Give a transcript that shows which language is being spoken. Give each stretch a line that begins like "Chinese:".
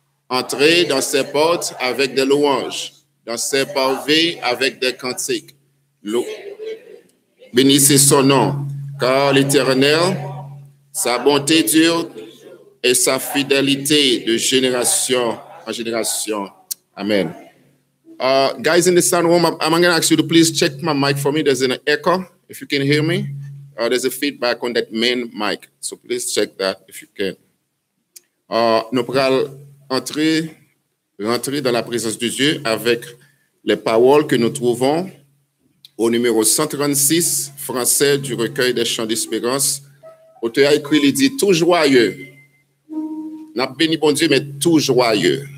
French: Entrez dans ses portes avec des louanges, dans ses pavés avec des cantiques. Bénissez son nom, car l'Éternel, sa bonté dure et sa fidélité de génération en génération. Amen.
English: Guys in the sound room, I'm going to ask you to please check my mic for me. There's an echo, if you can hear me. There's a feedback on that main mic. So please check that if you can.
French: Nous allons rentrer dans la présence de Dieu avec les paroles que nous trouvons au numéro 136 français du recueil des chants d'espérance. Auteur a écrit, il dit tout joyeux. N'a béni bon Dieu, mais tout joyeux.